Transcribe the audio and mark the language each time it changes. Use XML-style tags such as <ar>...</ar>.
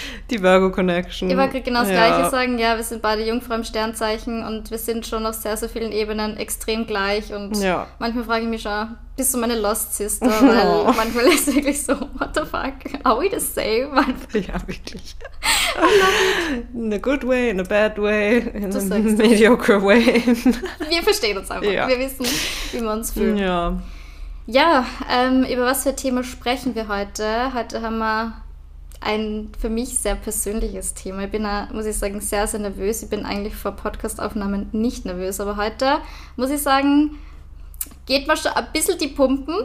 <de>Die Virgo-Connection. Ich wollte genau das ja. Gleiche sagen. Ja, wir sind beide Jungfrau im Sternzeichen und wir sind schon auf sehr, sehr vielen Ebenen extrem gleich. Und ja. Manchmal frage ich mich schon, bist du meine Lost Sister? Weil manchmal ist es wirklich so,</de> <en>what the fuck? Are we the same?</en> <de>Ja, wirklich.</de> <en>In a good way, in a bad way, in a mediocre way.</en> <de>Wir verstehen uns einfach. Ja. Wir wissen, wie wir uns fühlen. Ja. Ja, über was für Thema sprechen wir heute? Heute haben wir ein für mich sehr persönliches Thema. Ich bin, muss ich sagen, sehr, sehr nervös. Ich bin eigentlich vor Podcast-Aufnahmen nicht nervös. Aber heute, muss ich sagen, geht mir schon ein bisschen die Pumpen.</de>